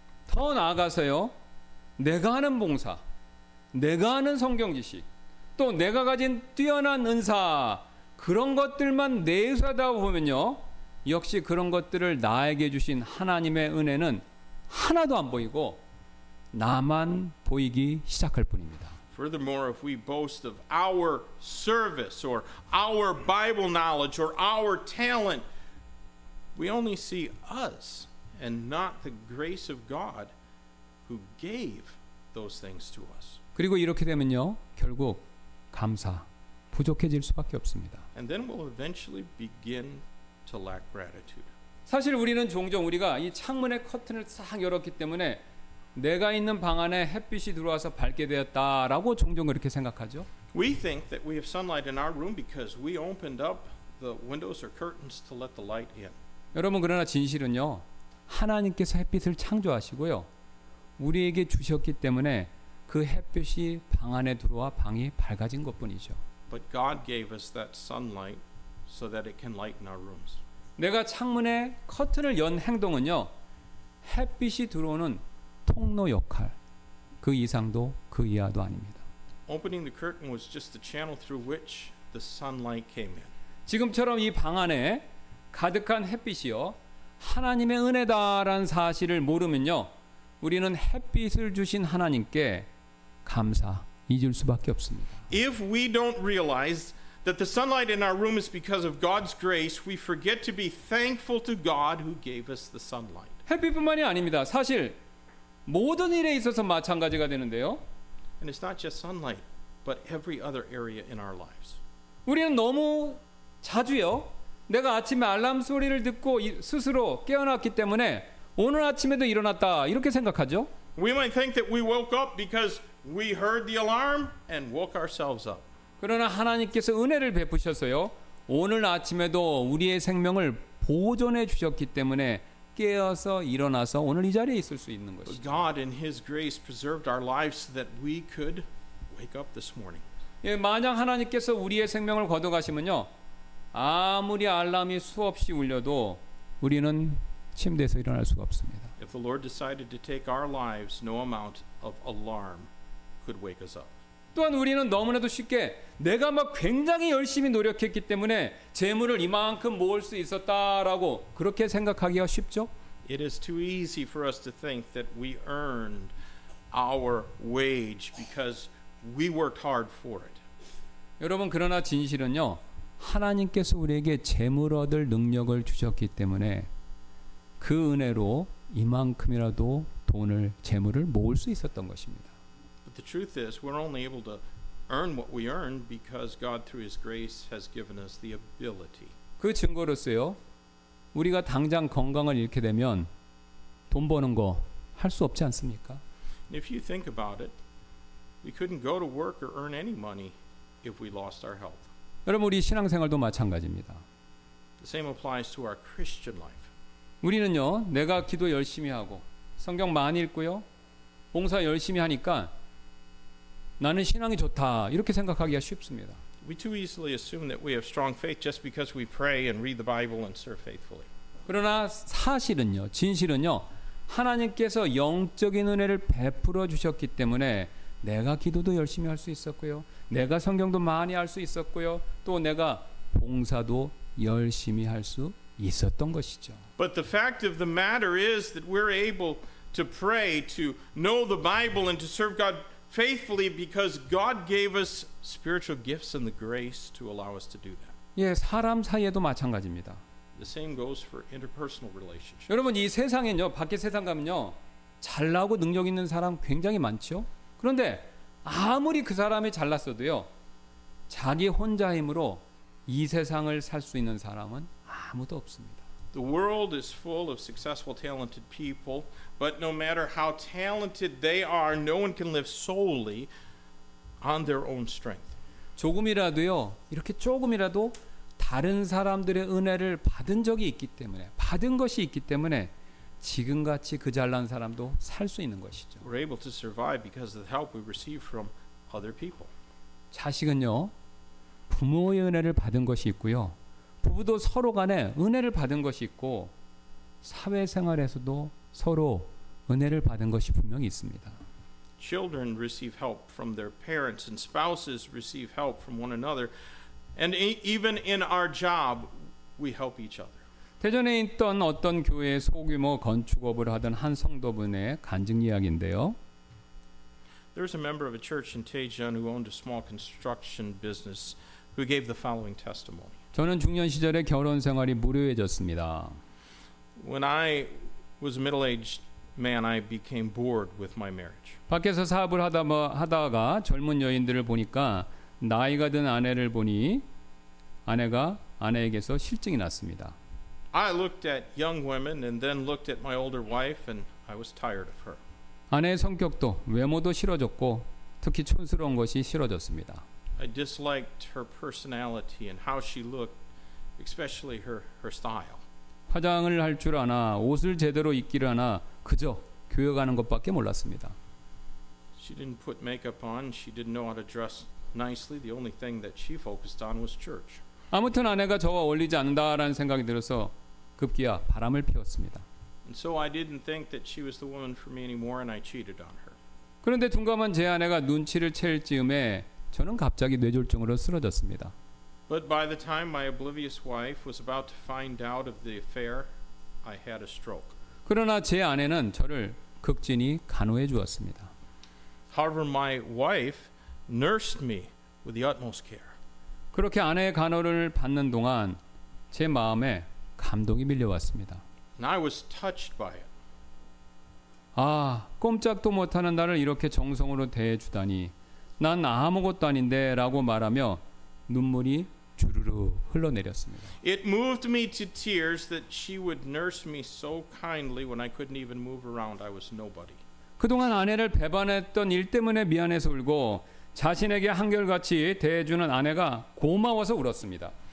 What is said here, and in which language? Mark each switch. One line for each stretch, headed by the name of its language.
Korean: 더 나아가서요, 내가 하는 봉사, 내가 하는 성경 지식, 또 내가 가진 뛰어난 은사, 그런 것들만 내세우다 보면요, 역시 그런 것들을 나에게 주신 하나님의 은혜는 하나도 안 보이고 나만 보이기 시작할 뿐입니다.
English: Furthermore, if we boast of our service or our Bible knowledge or our talent, we only see us and not the grace of God who gave those things to us.
Korean: 그리고 이렇게 되면요, 결국 감사 부족해질 수밖에 없습니다.
English: And then we'll eventually begin to lack gratitude.
Korean: 사실 우리는 종종 우리가 이 창문의 커튼을 싹 열었기 때문에 내가 있는 방 안에 햇빛이 들어와서 밝게 되었다라고 종종 그렇게 생각하죠.
English: We think that we have sunlight in our room because we opened up the windows or curtains to let the light in.
Korean: 여러분, 그러나 진실은요, 하나님께서 햇빛을 창조하시고요, 우리에게 주셨기 때문에 그 햇빛이 방 안에 들어와 방이 밝아진 것뿐이죠.
English: But God gave us that sunlight so that it can lighten our rooms.
Korean: 내가 창문에 커튼을 연 행동은요, 햇빛이 들어오는 통로 역할, 그 이상도 그 이하도 아닙니다.
English: Opening the curtain was just the channel through which the sunlight came in.
Korean: 지금처럼 이 방 안에 가득한 햇빛이요, 하나님의 은혜다라는 사실을 모르면요, 우리는 햇빛을 주신 하나님께 감사 잊을 수밖에 없습니다.
English: If we don't realize that the sunlight in our room is because of God's grace, we forget to be thankful to God who gave us the sunlight.
Korean: 햇빛뿐만이 아닙니다. 사실 모든 일에 있어서 마찬가지가 되는데요.
English: And it's not just sunlight, but every other area in our lives.
Korean: 우리는 너무 자주요. 내가 아침에 알람 소리를 듣고 스스로 깨어났기 때문에 오늘 아침에도 일어났다 이렇게 생각하죠.
English: We might think that we woke up because we heard the alarm and woke ourselves up.
Korean: 그러나 하나님께서 은혜를 베푸셨어요. 오늘 아침에도 우리의 생명을 보존해 주셨기 때문에 깨어서 일어나서 오늘 이 자리에 있을 수 있는 것이죠.
English: God in His grace preserved our lives so that we could wake up this morning.
Korean: 예, 만약 하나님께서 우리의 생명을 거둬가시면요, 아무리 알람이 수없이 울려도 우리는 침대에서 일어날 수가 없습니다.
English: If the Lord decided to take our lives, no amount of alarm could wake us up.
Korean: 또한 우리는 너무나도 쉽게 내가 막 굉장히 열심히 노력했기 때문에 재물을 이만큼 모을 수 있었다라고 그렇게 생각하기가 쉽죠?
English: It is too easy for us to think that we earned our wage because we worked hard for it.
Korean: 여러분 그러나 진실은요. 하나님께서 우리에게 재물 얻을 능력을 주셨기 때문에 그 은혜로 이만큼이라도 돈을 재물을 모을 수 있었던 것입니다.
English: But the truth is we're only able to earn what we earn because God through his grace has given us the ability.
Korean: 그 증거로서요. 우리가 당장 건강을 잃게 되면 돈 버는 거 할 수 없지 않습니까?
English: If you think about it, we couldn't go to work or earn any money if we lost our health.
Korean: 여러분 우리 신앙생활도 마찬가지입니다.
English: The same applies to our Christian life.
Korean: 우리는요, 내가 기도 열심히 하고 성경 많이 읽고요, 봉사 열심히 하니까 나는 신앙이 좋다 이렇게 생각하기가 쉽습니다.
English: We too easily assume that we have strong faith just because we pray and read the Bible and serve faithfully.
Korean: 그러나 사실은요, 진실은요, 하나님께서 영적인 은혜를 베풀어 주셨기 때문에 내가 기도도 열심히 할 수 있었고요. 내가 성경도 많이 할 수 있었고요. 또 내가 봉사도 열심히 할 수 있었던 것이죠.
English: But the fact of the matter is that we're able to pray, to know the Bible and to serve God faithfully because God gave us spiritual gifts and the grace to allow us to do that.
Korean: 예, 사람 사이에도 마찬가지입니다.
English: The same goes for interpersonal relationships.
Korean: 여러분 이 세상에요. 밖에 세상 가면요. 잘나고 능력 있는 사람 굉장히 많죠. 그런데 아무리 그 사람이 잘났어도요, 자기 혼자 힘으로 이 세상을 살 수 있는 사람은 아무도 없습니다.
English: The world is full of successful, talented people, but no matter how talented they are, no one can live solely on their own strength.
Korean: 조금이라도요, 이렇게 조금이라도 다른 사람들의 은혜를 받은 적이 있기 때문에, 받은 것이 있기 때문에. 지금 같이 그 잘난 사람도 살 수 있는 것이죠.
English: We're able to survive because of the help we receive from other people.
Korean: 자식은요, 부모의 은혜를 받은 것이 있고요. 부부도 서로 간에 은혜를 받은 것이 있고 사회생활에서도 서로 은혜를 받은 것이 분명히 있습니다.
English: Children receive help from their parents and spouses receive help from one another and even in our job we help each other.
Korean: 대전에 있던 어떤 교회의 소규모 건축업을 하던 한 성도분의 간증 이야기인데요.
English: There's a member of a church in Daejeon who owned a small construction business who gave the following testimony.
Korean: 저는 중년 시절에 결혼 생활이 무료해졌습니다.
English: When I was a middle-aged man, I became bored with my marriage.
Korean: 밖에서 사업을 하다가 젊은 여인들을 보니까 나이가 든 아내를 보니 아내가 아내에게서 실증이 났습니다.
English: I looked at young women and then looked at my older wife and I was tired of her.
Korean: 아내의 성격도 외모도 싫어졌고 특히 촌스러운 것이 싫어졌습니다.
English: I disliked her personality and how she looked, especially her style.
Korean: 화장을 할 줄 아나 옷을 제대로 입기를 아나 그저 교회 가는 것밖에 몰랐습니다.
English: She didn't put makeup on. She didn't know how to dress nicely. The only thing that she focused on was church.
Korean: 아무튼 아내가 저와 어울리지 않는다라는 생각이 들어서 급기야 바람을 피웠습니다.
English: So I didn't think that she was the woman for me anymore and I cheated on her.
Korean: 그런데 둔감한 제 아내가 눈치를 챌 즈음에 저는 갑자기 뇌졸중으로 쓰러졌습니다.
English: But by the time my oblivious wife was about to find out of the affair, I had a stroke.
Korean: 그러나 제 아내는 저를 극진히 간호해 주었습니다.
English: However, my wife nursed me with the utmost care.
Korean: 그렇게 아내의 간호를 받는 동안 제 마음에 감동이 밀려왔습니다.
English: And I was touched by it.
Korean: 아, 꼼짝도 못하는 나를 이렇게 정성으로 대해주다니 난 아무것도 아닌데 라고 말하며 눈물이 주르르 흘러내렸습니다.
English: It moved me to tears that she would nurse me so kindly when I couldn't even move around. I was nobody.
Korean: 그동안 아내를 배반했던 일 때문에 미안해서 울고 자신에게 한결같이 대해주는 아내가 고마워서 울었습니다.